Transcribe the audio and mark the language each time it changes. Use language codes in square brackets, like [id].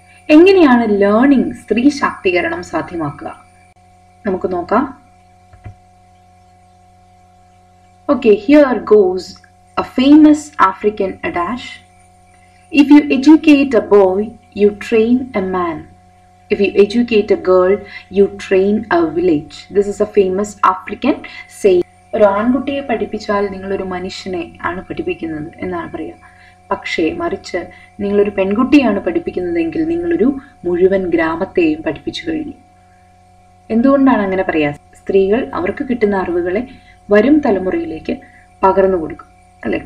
[ml] എങ്ങനെയാണ് ലേണിംഗ് സ്ത്രീ ശാക്തീകരണം സാധ്യമാക്കുക? നമുക്ക് നോക്കാം. [en] Okay, here goes a famous African adage. If you educate a boy you train a man. If you educate a girl, you train a village. This is a famous African saying. [ml] ഒരു ആൺകുട്ടിയെ പഠിപ്പിച്ചാൽ നിങ്ങളൊരു മനുഷ്യനെ ആണ് പഠിപ്പിക്കുന്നത് എന്നാണ് പറയുക. പക്ഷേ മറിച്ച് നിങ്ങളൊരു പെൺകുട്ടിയാണ് പഠിപ്പിക്കുന്നതെങ്കിൽ നിങ്ങളൊരു മുഴുവൻ ഗ്രാമത്തെയും പഠിപ്പിച്ചു കഴിഞ്ഞു. എന്തുകൊണ്ടാണ് അങ്ങനെ പറയുക? സ്ത്രീകൾ അവർക്ക് കിട്ടുന്ന അറിവുകളെ വരും തലമുറയിലേക്ക് പകർന്നു കൊടുക്കും അല്ലെ?